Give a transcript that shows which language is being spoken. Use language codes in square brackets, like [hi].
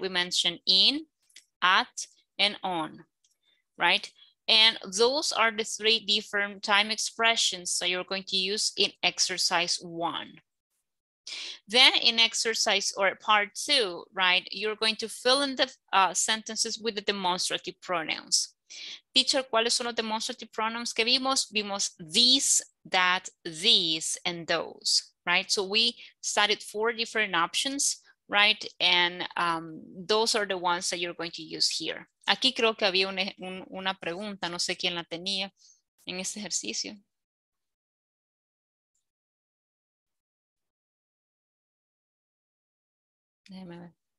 [en] We mentioned in, at, and on, right? And those are the three different time expressions that you're going to use in exercise one. Then in exercise or part two, right, you're going to fill in the sentences with the demonstrative pronouns. [es] Teacher, ¿cuáles son los demonstrative pronouns que vimos? Vimos these, that, these, and those, right? [en] So we studied four different options, right? And those are the ones that you're going to use here. [es] Aquí creo que había una pregunta, no sé quién la tenía en este ejercicio. Déjeme ver.